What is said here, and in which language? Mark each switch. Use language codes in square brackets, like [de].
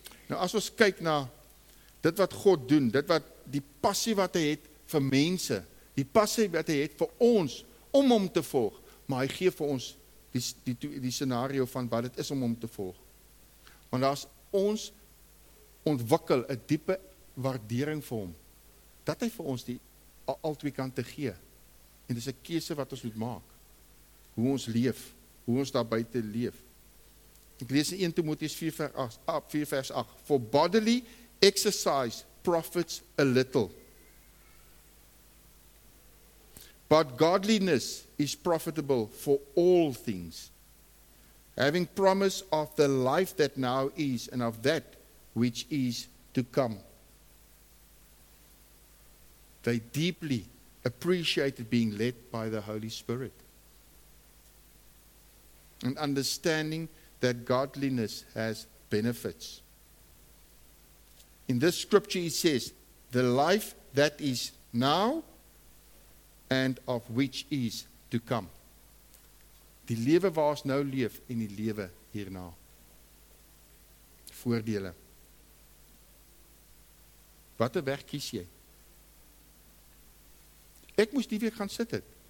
[af] Nou as ons kyk na dit wat God doen, dit wat die passie wat hy het vir mense, die passie wat hy het vir ons om hom te volg, maar hy gee vir ons die scenario van wat dit is om hom te volg. Want daar's ons ontwikkel 'n diepe waardering vir hom. Dat hy vir ons die al twee kante gee. En dis 'n keuse wat ons moet maak. Hoe ons leef, hoe ons daar buite leef. Ek lees in 1 Timoteus 4 vers 8, [en] "For bodily exercise profits a little, but godliness is profitable for all things, having promise of the life that now is and of that which is to come." They deeply appreciated being led by the Holy Spirit and understanding that godliness has benefits. In this scripture it says, "The life that is now and of which is to come." [af] Die lewe waar ons nou leef en die lewe hierna. Voordele. Watter weg kies jy? Ek moes die week gaan sit het.